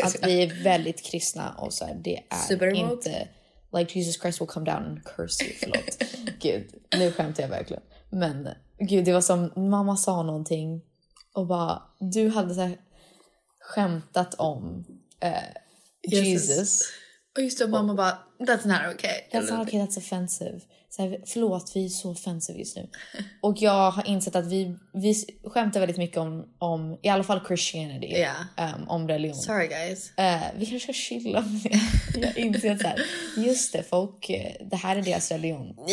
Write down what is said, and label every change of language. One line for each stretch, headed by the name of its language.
Swedish: Att vi är väldigt kristna och så här, det är
English: super
Swedish: inte...
English: Remote. Like Jesus Christ will come down and curse you,
Swedish: förlåt. Gud, nu skämtar jag verkligen. Men gud, det var som mamma sa någonting och bara, du hade så här, skämtat om Jesus. Och just det, mamma och, bara,
English: that's not okay. That's not okay, that's offensive.
Swedish: Så här, förlåt, vi är så offensive just nu. Och jag har insett att vi skämtar väldigt mycket om i alla fall Christianity.
English: Yeah.
Swedish: Om religion.
English: Sorry guys.
Swedish: Vi kanske ska chilla med det. Jag har insett så här, just det, folk, det här är deras religion.